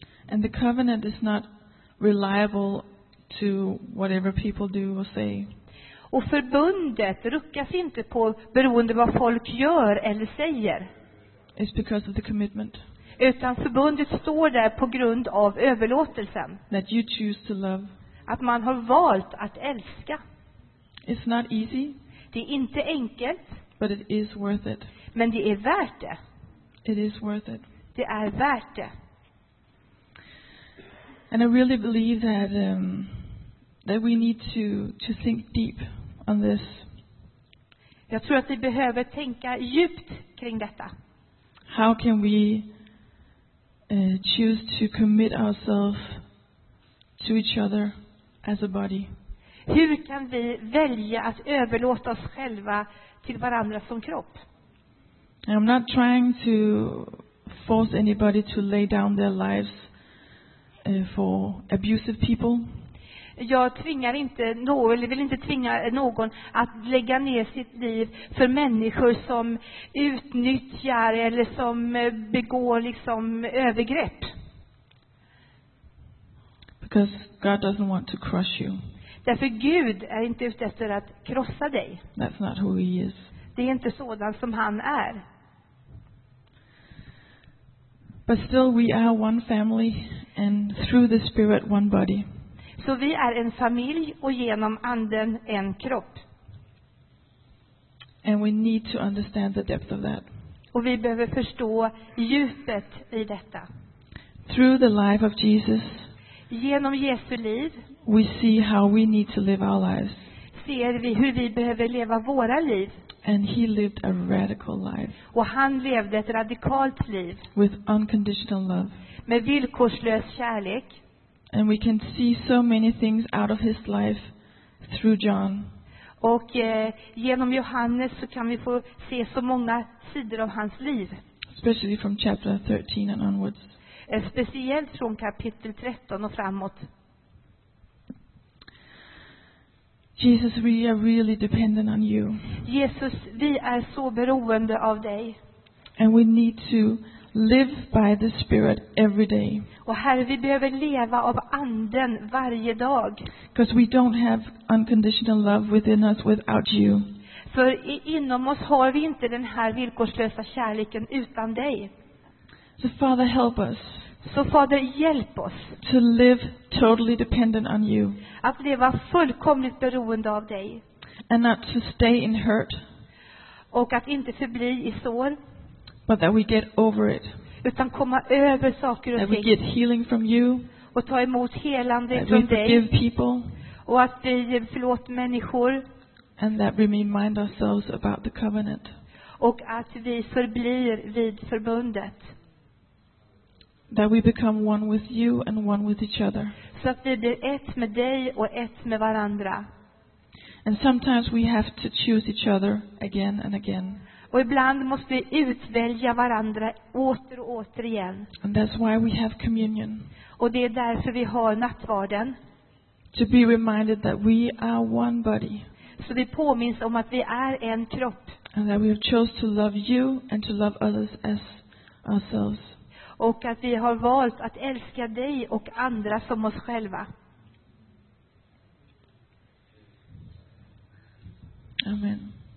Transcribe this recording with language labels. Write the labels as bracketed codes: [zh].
[en] And the covenant is not reliable to whatever people do or say. [sv] Och förbundet ruckas inte på beroende vad folk gör eller säger. [en] It's because of the commitment. [sv] Utan förbundet står där på grund av överlåtelsen. [en] That you choose to love. [sv] Att man har valt att älska. [en] It's not easy. [sv] Det är inte enkelt. [en] But it is worth it. [sv] Men det är värt det. [en] It is worth it. [sv] Det är värt det. [en] And I really believe that that we need to think deep on this. [sv] Jag tror att vi behöver tänka djupt kring detta. [en] How can we choose to commit ourselves to each other as a body? [sv] Hur kan vi välja att överlåta oss själva till varandra som kropp? [en] I'm not trying to force anybody to lay down their lives for abusive people. [sv] Jag tvingar inte någon, eller vill inte tvinga någon att lägga ner sitt liv för människor som utnyttjar eller som begår liksom övergrepp. [en] Because God doesn't want to crush you. [sv] Därför Gud är inte ute efter att krossa dig. [en] That's not who he is. [sv] Det är inte sådan som han är. [en] But still we are one family and through the Spirit one body. [sv] Så vi är en familj och genom anden en kropp. [en] And we need to understand the depth of that. [sv] Och vi behöver förstå djupet i detta. [en] Through the life of Jesus. [sv] Genom Jesu liv. [en] We see how we need to live our lives. [sv] Ser vi hur vi behöver leva våra liv. [en] And he lived a radical life. [sv] Och han levde ett radikalt liv. [en] With unconditional love. [sv] Med villkorslös kärlek. [en] And we can see so many things out of his life through John. [sv] Och genom Johannes så kan vi få se så många sidor av hans liv. [en] Especially from chapter 13 and onwards. [sv] Speciellt från kapitel 13 och framåt. [en] Jesus, we are really dependent on you. [sv] Jesus, vi är så beroende av dig. [en] And we need to live by the Spirit every day. [sv] Och Herre, vi behöver leva av anden varje dag. [en] Because we don't have unconditional love within us without you. [sv] För inom oss har vi inte den här villkorslösa kärleken utan dig. [en] So Father, help us. [sv] Så Fader, hjälp oss. [en] To live totally dependent on you. [sv] Att leva fullkomligt beroende av dig. [en] And not to stay in hurt. [sv] Och att inte förbli i sår. [en] But that we get over it. [sv] Utan komma över saker och [en] that [sv] ting. [en] That we get healing from you. [sv] Och ta emot helande [en] that [sv] från dig. [en] That we forgive people. [sv] Och att vi förlåter människor. [en] And that we remind ourselves about the covenant. [sv] Och att vi förblir vid förbundet. [en] That we become one with you and one with each other. [sv] Så att vi blir ett med dig och ett med varandra. [en] And sometimes we have to choose each other again and again. [sv] Och ibland måste vi utvälja varandra åter och åter igen. [en] And that's why we have communion. [sv] Och det är därför vi har nattvarden. [en] To be reminded that we are one body. [sv] Så vi påminns om att vi är en kropp. [en] And that we have chose to love you and to love others as ourselves. [sv] Och att vi har valt att älska dig och andra som oss själva. [en] Amen.